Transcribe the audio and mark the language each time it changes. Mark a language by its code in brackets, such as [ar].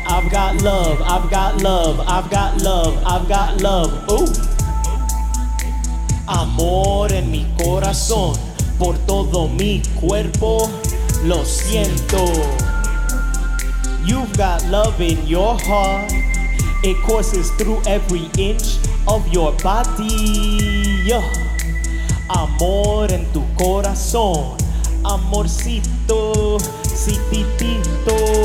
[en] I've got love, I've got love, I've got love, I've got love. Ooh. [es] Amor en mi corazón, por todo mi cuerpo, lo siento. [en] You've got love in your heart, it courses through every inch of your body. Yeah. [es] Amor en tu corazón, amorcito, cititito.